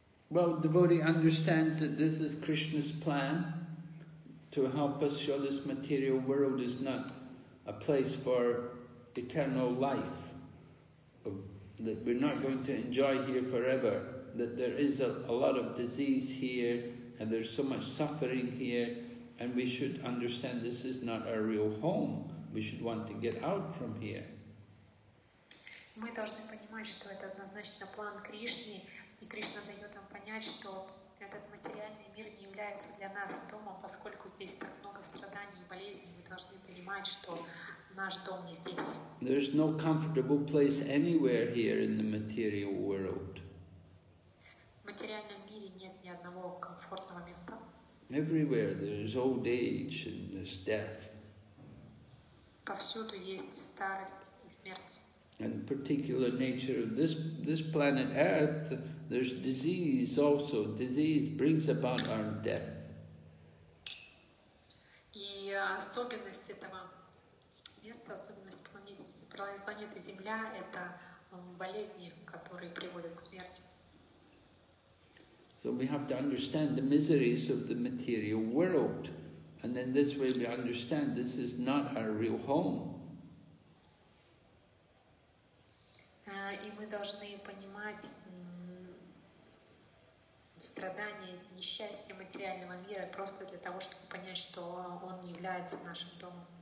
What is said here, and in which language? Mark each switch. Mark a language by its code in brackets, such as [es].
[en] Well, devotee understands that this is Krishna's plan to help us show this material world is not a place for eternal life, that we're not going to enjoy here forever, that there is a lot of disease here and there's so much suffering here, and we should understand this is not our real home. We should want to get out from here. [ru] Мы должны понимать, что это однозначно план Кришны, и Кришна дает нам понять, что этот материальный мир не является для нас домом, поскольку здесь так много страданий и болезней. Мы должны понимать, что наш дом не здесь. [en] There's no comfortable place anywhere here in the material world. [ru] В материальном мире нет ни одного комфортного места. [en] Everywhere there's old age and there's death. [ru] Повсюду есть старость и смерть. [en] And the particular nature of this planet Earth, there's disease also. Disease brings about our death. [ru] И особенность этого места, особенность планеты Земля, это болезни, которые приводят к смерти. [en] So we have to understand the miseries of the material world, and in this way we understand this is not our real home. [ru] И мы должны понимать страдания, эти несчастья материального мира просто для того, чтобы понять, что он не является нашим домом.